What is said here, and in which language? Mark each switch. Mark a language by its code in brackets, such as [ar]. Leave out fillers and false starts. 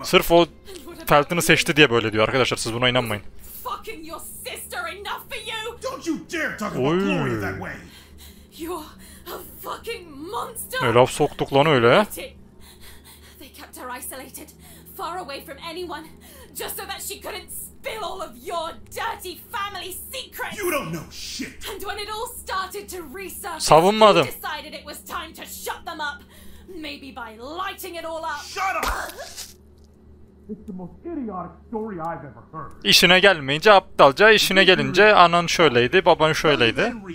[tr] Sırf o Felton'u seçti diye böyle diyor arkadaşlar siz buna inanmayın. [en] Fucking your sister enough for you. Don't you dare talk about Gloria that way. You're a fucking monster. [tr] Ne laf soktuk lan öyle? [en] They kept her isolated, far away from anyone, just so that she couldn't spill all of your dirty family secrets. You don't know shit. And when it all started to resurface, [tr] savunmadım. [en] You decided it was time to shut them up. Maybe by lighting it all up. Shut up! It's the most idiotic story I've ever heard. [tr] İşine gelmeyince aptalca, işine gelince anan şöyleydi, baban şöyleydi.